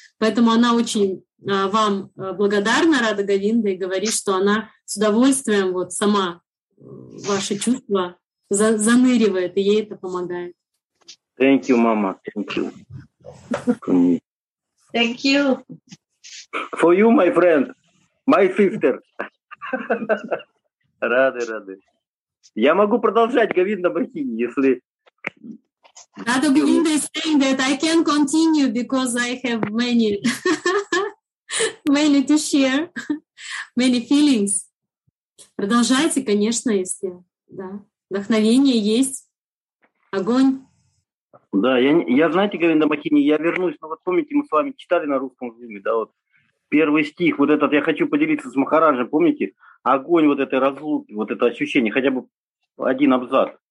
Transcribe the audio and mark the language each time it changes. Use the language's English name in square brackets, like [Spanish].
[Russian] Поэтому она очень вам благодарна, Рада Говинда, и говорит, что она с удовольствием вот сама ваши чувства заныривает, и ей это помогает. [English] Thank you, mama. Thank you. Thank you. For you, my friend, my sister. [Russian] Рады, рады. Я могу продолжать, Говинда Бахини, если... [English] Рада Говинда is saying that I can continue because I have many, many to share, many feelings. [Russian] Продолжайте, конечно, если да. Вдохновение есть, огонь. Да, я знаете, Говинда Бахини, я вернусь, но вот помните, мы с вами читали на русском зуме, да, вот. Первый стих, вот этот, я хочу поделиться с Махараджем, помните? Огонь вот этой разлуки, вот это ощущение, хотя бы один абзац.